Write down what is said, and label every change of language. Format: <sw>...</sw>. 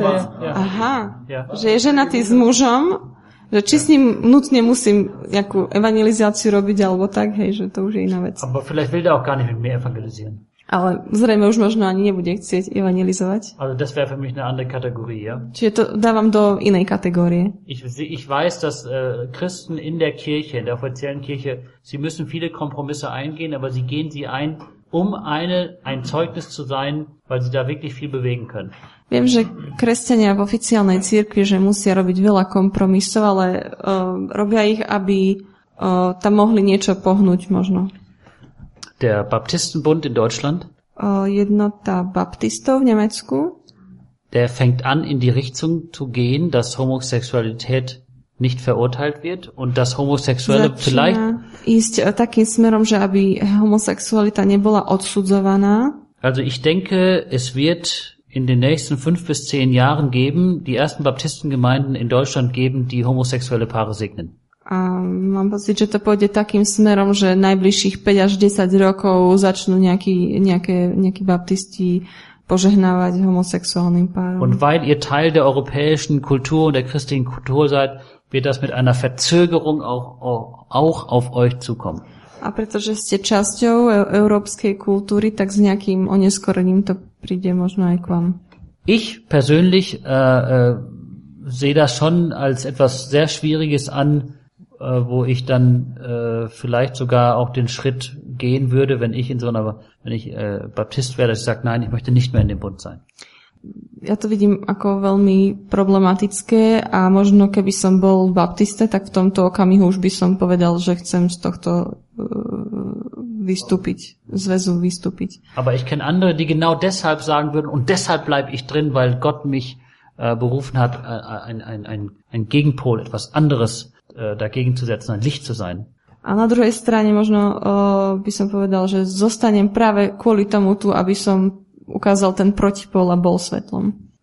<de>Ja.</de> <sk>Aha, že je ženatý s mužom, že či s ním nutne musím nejakú evangelizáciu robiť, alebo tak, hej, že to už je iná vec.</sk> <de>Aber vielleicht will der auch gar nicht mit mir evangelisieren.</de> <sk>Ale zrejme už možno ani nebude chcieť evangelizovať.</sk> <de>Also das wäre für mich eine andere Kategorie, ja?</de> <sk>Čiže to dávam do inej kategórie.</sk> <de>Ich weiß, dass Christen in der Kirche, in der offiziellen Kirche, sie müssen viele Kompromisse eingehen, aber sie gehen sie ein, um ein Zeugnis zu sein, weil sie da wirklich viel bewegen können.</de> <sk>Viem, že kresťania v oficiálnej cirkvi, že musia robiť veľa kompromisov, ale robia ich, aby tam mohli niečo pohnúť možno.</sk> <de>Der Baptistenbund in Deutschland.</de> <sk>Jednota Baptistov v Nemecku.</sk> <de>Der fängt an, in die Richtung zu gehen, dass Homosexualität nicht verurteilt wird und dass Homosexuelle vielleicht.</de> <sk>Ist takým smerom, že aby homosexualita nebola odsudzovaná.</sk> <de>Also ich denke, es wird in den nächsten 5 bis 10 Jahren geben, die ersten Baptistengemeinden in Deutschland geben, die homosexuelle Paare segnen.</de> <sk>A mám pocit, že to pôjde takým smerom, že najbližších 5 až 10 rokov začnú nejakí baptisti požehnávať homosexuálnym párom.</sk> <de>Und weil ihr Teil der europäischen Kultur und der christlichen Kultur seid, wird das mit einer Verzögerung auch auf euch zukommen.</de> <sk>A pretože ste časťou európskej kultúry, tak s nejakým oneskorením to príde možno aj k vám.</sk> <de>Ich persönlich sehe das schon als etwas sehr Schwieriges an, wo ich dann vielleicht sogar auch den Schritt gehen würde, wenn ich Baptist wäre, dass ich sage, nein, ich möchte nicht mehr in dem Bund sein.</de> <sk>Ja to vidím ako veľmi problematické a možno keby som bol Baptiste, tak v tomto okamihu už by som povedal, že chcem z tohto vystúpiť, zväzu vystúpiť.</sk> <de>Aber ich kenne andere, die genau deshalb sagen würden und deshalb bleib ich drin, weil Gott mich berufen hat, ein Gegenpol, etwas anderes dagegen zu setzen, ein Licht zu sein.</de> <sk>A na druhej strane možno by som povedal, že zostanem práve kvôli tomu tu, aby som ukázal ten protipol a bol svetlom.</sk>